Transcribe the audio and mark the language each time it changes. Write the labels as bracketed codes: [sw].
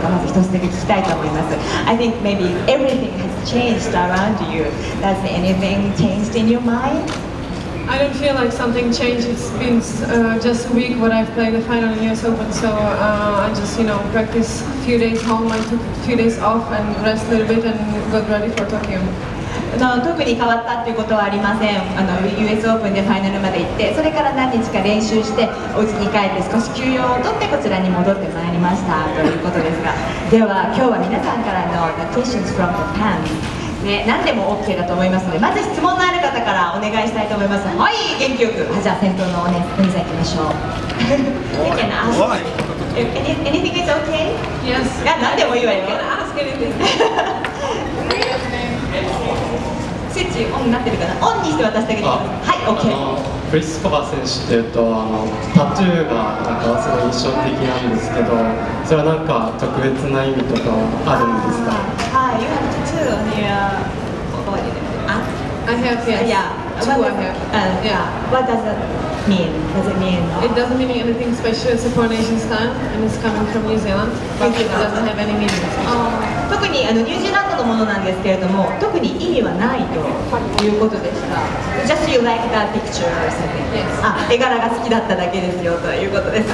[en] I think maybe everything has changed around you. Does anything changed in your mind? I don't feel like something changed. It's been just a week what I've played the final in US Open. So I just, you know, practice a few days home. I took a few days off and rest a little bit and got ready for Tokyo. [ja] 特に変わったっていうことはありません。US オープンでファイナルまで行って、それから何日か練習してお家に帰って少し休養を取ってこちらに戻ってまいりましたということですが、では今日は皆さんからの [en] The questions from the fans、 [ja] ね、何でも OK だと思いますので、まず質問のある方からお願いしたいと思います。はい、元気よく、じゃあ先頭のお姉さん行きましょう。おい、 [en] Anything is OK? Yes. [ja] 何でもいいわよ。 [en] I wanna ask anything [ja] オンになってるかな。オンにして渡してあげてください。はい、OK。プリスコバ選手っていうと、タトゥーがなんかすごい印象的なんですけど、それはなんか特別な意味とかあるんですか。はい、 [en] You have tattoo on your body. あ、I have, yes. Yeah. Two, I have. Yeah. What does that mean? Does it mean? It doesn't mean anything special. It's a coronation stamp, and it's coming from New Zealand. But it doesn't have any meaning. [ja] 特にニュージーランドのものなんですけれども、特に意味はないということでした。 [en] Just you like that picture or something? [ja] 絵柄が好きだっただけですよということです。